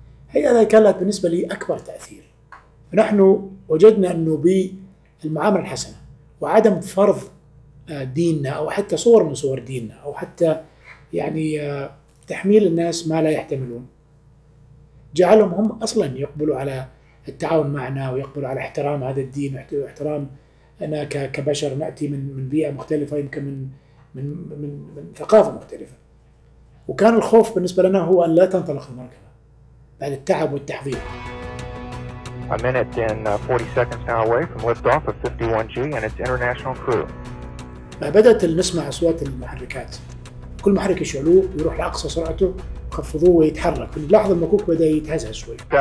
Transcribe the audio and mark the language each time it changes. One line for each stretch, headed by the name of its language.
Arabic: هي هذه كانت بالنسبه لي اكبر تاثير. نحن وجدنا انه بالمعامله الحسنه وعدم فرض ديننا او حتى صور من صور ديننا او حتى يعني تحميل الناس ما لا يحتملون، جعلهم هم اصلا يقبلوا على التعاون معنا ويقبلوا على احترام هذا الدين واحترام انا كبشر ناتي من بيئه مختلفه، يمكن من من من, من ثقافه مختلفه. وكان الخوف بالنسبه لنا هو ان لا تنطلق المركبه بعد التعب والتحضير.
English: A minute and 40 seconds now away from liftoff of 51G and its international crew.
Arabic: ما بدات نسمع اصوات المحركات، كل محرك يشعلوه يروح لاقصى سرعته يخفضوه ويتحرك، بنلاحظ المكوك بدا يتهزه شوي.